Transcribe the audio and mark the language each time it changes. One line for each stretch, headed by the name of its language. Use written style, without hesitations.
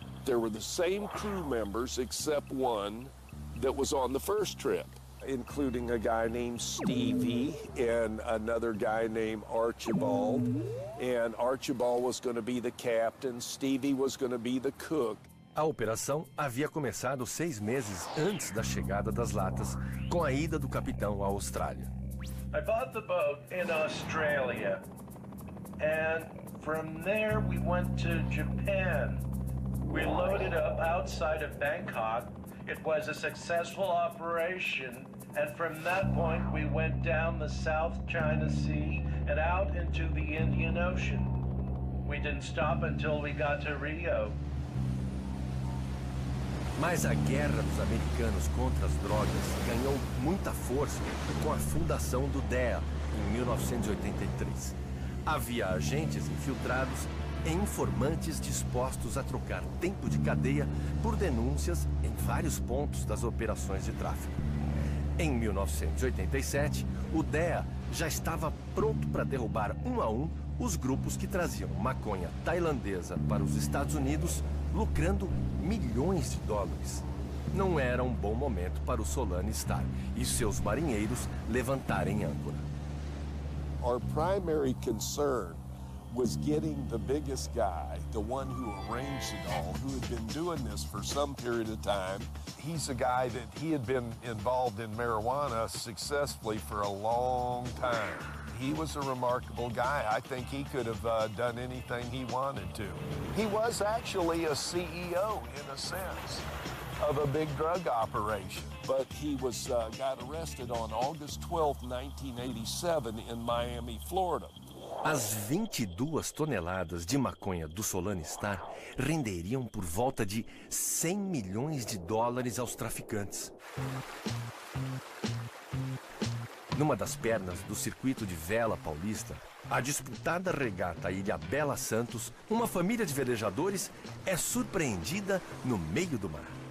English: There were the same crew members except one that was on the first trip, including a guy named Stevie and another guy named Archibald. And Archibald was going to be the captain, Stevie was going to be the cook.
Portuguese: A operação havia começado 6 meses antes da chegada das latas, com a ida do capitão à Austrália.
English: I bought the boat in Australia, and from there we went to Japan. We loaded up outside of Bangkok. It was a successful operation, and from that point we went down the South China Sea and out into the Indian Ocean. We didn't stop until we got to Rio.
Portuguese: Mas a guerra dos americanos contra as drogas ganhou muita força com a fundação do DEA em 1983. Havia agentes infiltrados e informantes dispostos a trocar tempo de cadeia por denúncias em vários pontos das operações de tráfico. Em 1987, o DEA já estava pronto para derrubar um a um os grupos que traziam maconha tailandesa para os Estados Unidos, lucrando milhões de dólares. Não era um bom momento para o Solana Star e seus marinheiros levantarem âncora.
English: Our primary concern was getting the biggest guy, the one who arranged it all, who had been doing this for some period of time. He's a guy that he had been involved in marijuana successfully for a long time. He was a remarkable guy. I think he could have done anything he wanted to. He was actually a CEO, in a sense, of a big drug operation. But he was got arrested on August 12, 1987, in Miami, Florida.
Portuguese: As 22 toneladas de maconha do Solana Star renderiam por volta de 100 milhões de dólares aos traficantes. Numa das pernas do circuito de vela paulista, a disputada regata Ilha Bela Santos, uma família de velejadores é surpreendida no meio do mar.